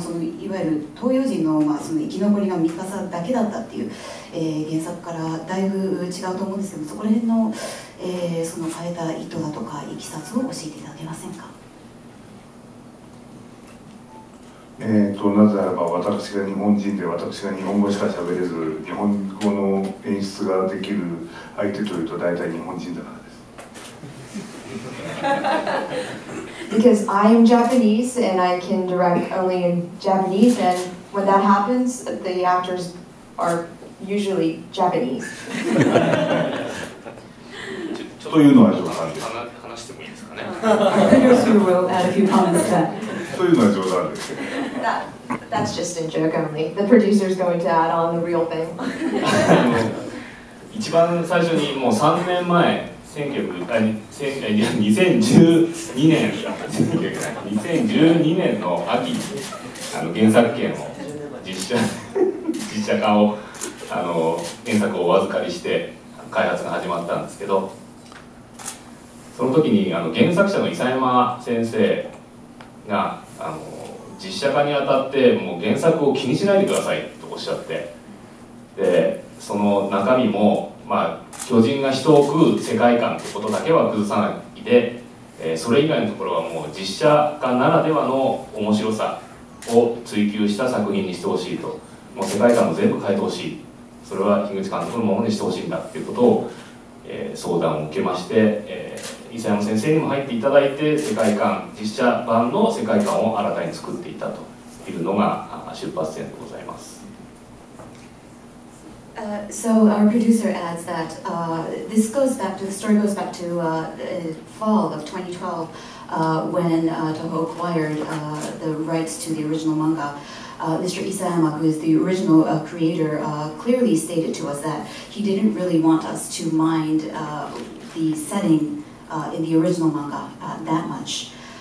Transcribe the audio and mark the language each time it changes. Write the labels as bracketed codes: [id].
[ja] 残りがミカサだけだったっていう、原作からだいぶ違うと思うんですけど、そこら辺の、その変えた意図だとかいきさつを教えていただけませんか。なぜならば私が日本人で私が日本語しか喋れず日本語の演出ができる相手というと大体日本人だからです。 [en] Because I am Japanese and I can direct only in Japanese and when that happens the actors are usually Japanese. [ja] というのはちょっと話してもいいですかね。 [en] Yes, we will add a few comments to that. That's just a joke only. The producer's going to add on the real thing. [ja] 一番最初にもう3年前、2012年の秋にあの原作権を実写化をあの原作をお預かりして開発が始まったんですけど、その時にあの原作者の諫山先生があの実写化にあたってもう原作を気にしないでくださいとおっしゃって、でその中身も、まあ、巨人が人を食う世界観ってことだけは崩さないで、それ以外のところはもう実写化ならではの面白さを追求した作品にしてほしいと、もう世界観も全部変えてほしい、それは樋口監督のものにしてほしいんだっていうことを、相談を受けまして、諫山先生にも入っていただいて世界観、実写版の世界観を新たに作っていたというのが出発点でございます。 [en] So our producer adds that this goes back to, the story goes back to fall of 2012 when Toho acquired the rights to the original manga. Mr. Isayama, who is the original creator, clearly stated to us that he didn't really want us to mind the settingin the original manga that much.